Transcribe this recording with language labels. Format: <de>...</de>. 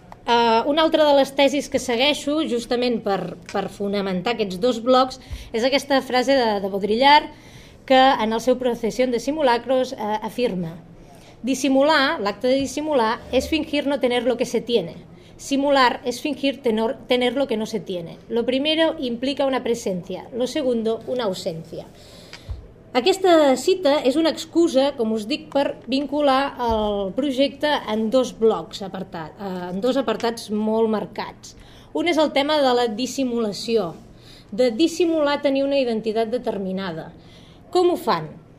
<ca>Una altra de les tesis que segueixo, justament per fonamentar aquests dos blocs, és aquesta frase de Baudrillard, que en el seu Procession de Simulacros afirma: dissimular, l'acte de dissimular, és fingir</ca> <es>no tener lo que se tiene. Simular és fingir tener lo que no se tiene. Lo primero implica una presencia, lo segundo una ausencia.</es> <ca>Aquesta cita és una excusa, com us dic, per vincular el projecte en dos blocs, en dos apartats molt marcats. Un és el tema de la dissimulació, de dissimular tenir una identitat determinada. Com ho fan?</ca>